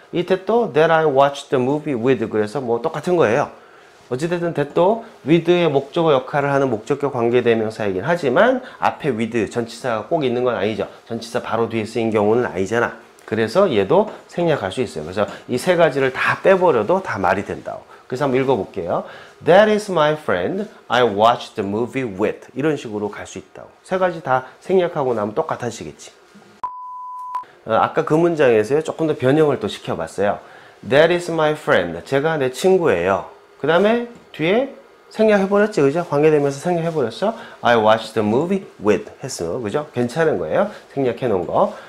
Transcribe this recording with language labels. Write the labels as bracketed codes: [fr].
[en] 이 that도 that I watched the movie with. [ko] 그래서 뭐 똑같은 거예요. 어찌됐든 that도 with의 목적어 역할을 하는 목적격 관계대명사이긴 하지만 앞에 with 전치사가 꼭 있는 건 아니죠. 전치사 바로 뒤에 쓰인 경우는 아니잖아. 그래서 얘도 생략할 수 있어요. 그래서 이 세 가지를 다 빼버려도 다 말이 된다고. 그래서 한번 읽어볼게요. [en] That is my friend I watched the movie with. [ko] 이런 식으로 갈 수 있다고. 세 가지 다 생략하고 나면 똑같아지겠지. 아까 그 문장에서 조금 더 변형을 또 시켜봤어요. [en] That is my friend. [ko] 제가 내 친구예요. 그 다음에 뒤에 생략해버렸지. 그죠? 관계되면서 생략해버렸어. [en] I watched the movie with. [ko] 했어. 그죠? 괜찮은 거예요. 생략해놓은 거.